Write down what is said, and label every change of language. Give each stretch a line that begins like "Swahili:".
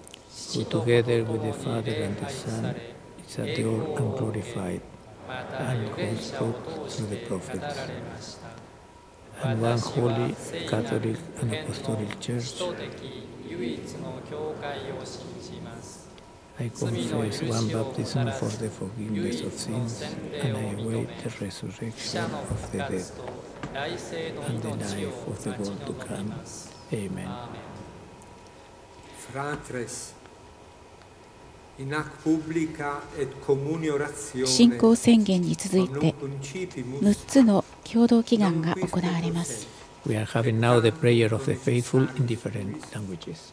Japanese: 父と子と共に礼拝され、栄光を受け、また預言者を通して語られました。私は聖なる天の父と使徒的唯一の教会を信じます。
English: I confess one baptism for the forgiveness of sins, and I await the resurrection of the dead and the life of the world to come. Amen.
Latin: Fratres, in ac publica et communio ratione,
Japanese: 信仰宣言に続いて6つの共同祈願が行われます。
English: We are having now the prayer of the faithful in different languages.